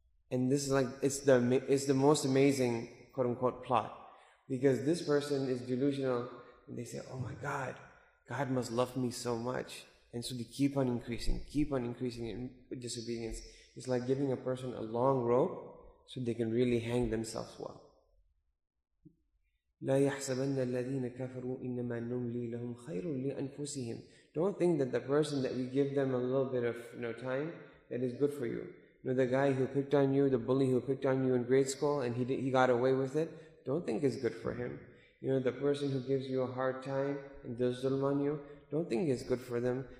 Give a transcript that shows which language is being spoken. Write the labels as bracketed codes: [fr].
[en] And this is like, it's the most amazing quote unquote plot. Because this person is delusional and they say, oh my God, God must love me so much. And so they keep on increasing in disobedience. It's like giving a person a long rope so they can really hang themselves well. [ar] لا يحسبن الذين كفروا إنما نملي لهم خير لأنفسهم. [en] Don't think that the person that we give them a little bit of time, that is good for you. The guy who picked on you, the bully who picked on you in grade school and he got away with it, don't think it's good for him. The person who gives you a hard time and does zulm on you, don't think it's good for them.